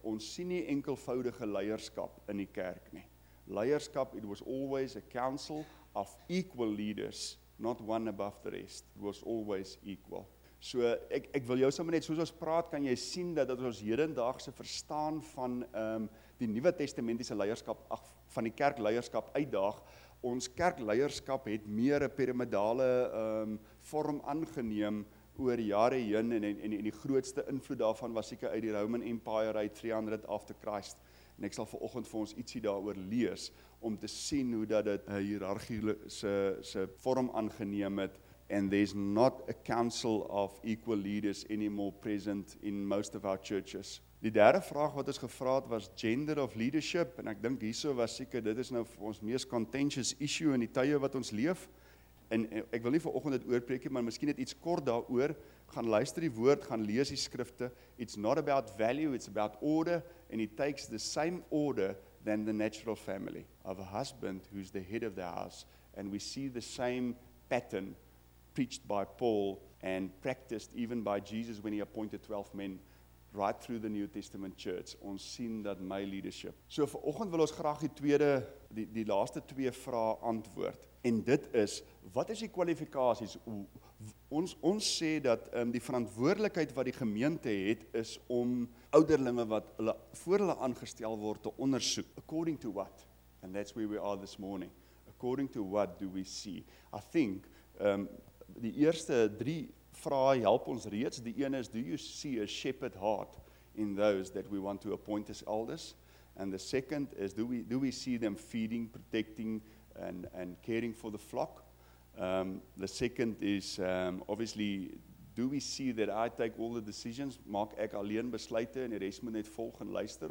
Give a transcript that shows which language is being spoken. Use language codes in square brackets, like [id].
[af] Ons sien nie enkelvoudige leierskap in die kerk nie. [en] Leierskap, it was always a council of equal leaders, not one above the rest. It was always equal. [af] So ek wil jou sommer net, soos ons praat, kan jy sien dat ons hedendaagse verstaan van die Nuwe Testamentiese leierskap, van die kerkleierskap uitdaag. Ons kerkleierskap het meer 'n piramidale vorm aangeneem oor jare heen en die grootste invloed daarvan was seker uit die Roman Empire uit 300 [en] after Christ. [af] En ek sal vanoggend vir ons ietsie daaroor lees om te sien hoe dat dit 'n hiërargiese se vorm aangeneem het. [en] And there's not a council of equal leaders anymore present in most of our churches. [af] Die derde vraag wat ons gevra het was [en] gender of leadership, [af] en ek dink hierso was seker dit is nou vir ons mees [en] contentious issue [af] in die tye wat ons leef. En ek wil nie vanoggend dit oorpreek nie, maar miskien net iets kort daaroor. Gaan luister die woord, gaan lees die skrifte. [en] It's not about value, it's about order, and it takes the same order than the natural family of a husband who's the head of the house. And we see the same pattern preached by Paul and practiced even by Jesus when he appointed 12 men right through the New Testament church. [af] Ons sien dat my leadership. So vanoggend wil ons graag die laaste twee vrae antwoord. En dit is, wat is die kwalifikasies? Ons sê dat die verantwoordelikheid wat die gemeente het, is om ouderlinge wat hulle, voor hulle aangestel word, te ondersoek. [en] According to what? And that's where we are this morning. According to what do we see? I think, [af] die eerste drie vrae help ons reeds. Die ene is, [en] do you see a shepherd heart in those that we want to appoint as elders? And the second is, do we see them feeding, protecting, and caring for the flock? The second is, obviously, do we see that I take all the decisions? [af] Maak ek alleen besluite en die res moet net volg en luister?